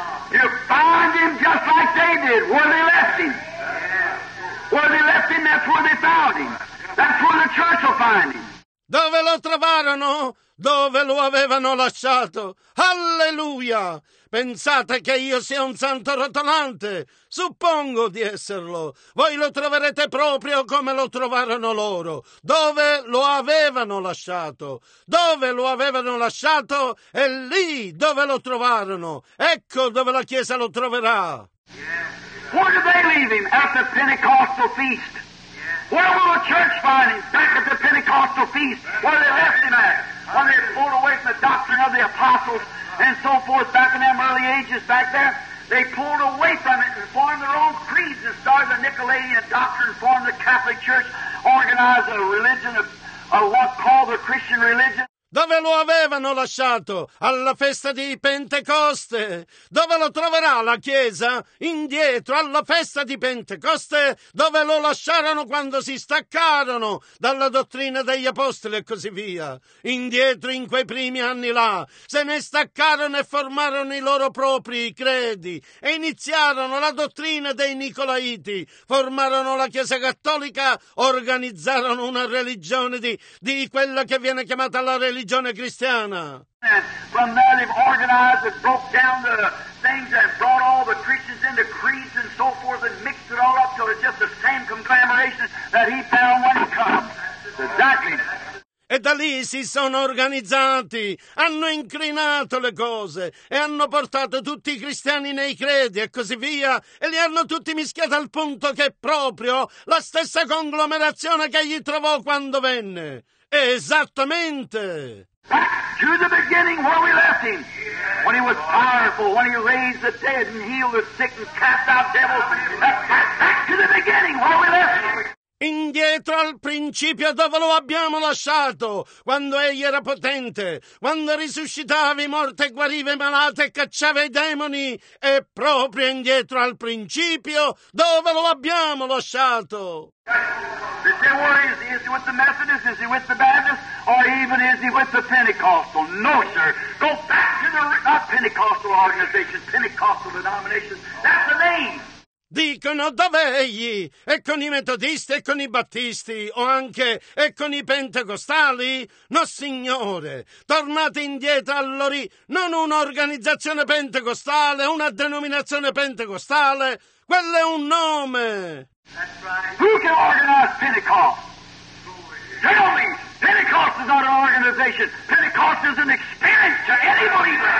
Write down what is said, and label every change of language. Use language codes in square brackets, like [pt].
[en] You find him just like they did. Where they left him? Where they left him, that's where they found him. That's where the church will find him. [it] Dove lo trovarono? Dove lo avevano lasciato? Alleluia! Pensate che io sia un santo rotolante? Suppongo di esserlo. Voi lo troverete proprio come lo trovarono loro. Dove lo avevano lasciato? Dove lo avevano lasciato? È lì dove lo trovarono. Ecco dove la Chiesa lo troverà. [en] Where did they leave him? At the Pentecostal feast. Where will the church find him? Back at the Pentecostal feast. Where they left him at? When they pulled away from the doctrine of the apostles and so forth back in them early ages back there. They pulled away from it and formed their own creeds and started the Nicolaitan doctrine, formed the Catholic Church, organized a religion of what called the Christian religion. [it] Dove lo avevano lasciato? Alla festa di Pentecoste. Dove lo troverà la Chiesa? Indietro, alla festa di Pentecoste, dove lo lasciarono quando si staccarono dalla dottrina degli apostoli e così via. Indietro, in quei primi anni là, se ne staccarono e formarono i loro propri credi e iniziarono la dottrina dei Nicolaiti, formarono la Chiesa Cattolica, organizzarono una religione di quella che viene chiamata la religione. Religione cristiana. [en] And from there they've organized and broke down the things that brought all the Christians into creeds and so forth and mixed it all up till it's just the same conglomeration that he found when he came. Exactly. [it] E da lì si sono organizzati, hanno incrinato le cose e hanno portato tutti i cristiani nei credi e così via e li hanno tutti mischiati al punto che è proprio la stessa conglomerazione che gli trovò quando venne. Esattamente! [en] Back to the beginning where we left him. When he was powerful, when he raised the dead and healed the sick and cast out devils. Back to the beginning where we left him. [it] Indietro al principio dove lo abbiamo lasciato, quando egli era potente, quando risuscitava i morti e guariva i malati e cacciava i demoni, e proprio indietro al principio dove lo abbiamo lasciato. [en] Is he with the Methodist? Is he with the Baptist? Or even is he with the Pentecostal? No, sir. Go back to the not Pentecostal organization, Pentecostal denomination. That's the name. [it] dicono dov'egli, e con i metodisti e con i battisti, o anche e con i pentecostali? No, signore, tornate indietro all'ori, non un'organizzazione pentecostale, una denominazione pentecostale, quello è un nome. [en] That's right. Who can organize Pentecost? Tell me, Pentecost is not an organization. Pentecost is an experience to anybody.